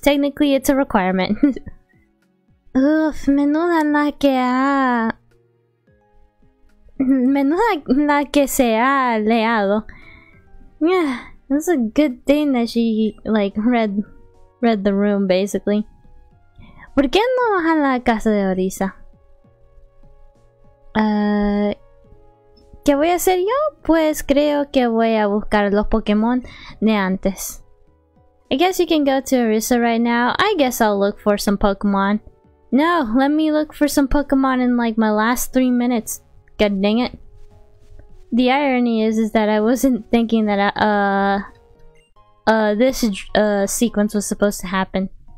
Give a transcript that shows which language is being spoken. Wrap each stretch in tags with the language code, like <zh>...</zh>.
<en>Technically, it's a requirement.</en> <es>Uf, menuda la que ha... Menuda la que se ha leado.</es> <en>Yeah, that's a good thing that she, like, read the room, basically.</en> <es>¿Por qué no vas a la casa de Orisa? ¿Qué voy a hacer yo? Pues creo que voy a buscar los Pokémon de antes.</es> <en>I guess you can go to Orisa right now. I guess I'll look for some Pokémon. No, let me look for some Pokémon in like my last 3 minutes. God dang it. The irony is that I wasn't thinking that this sequence was supposed to happen.</en>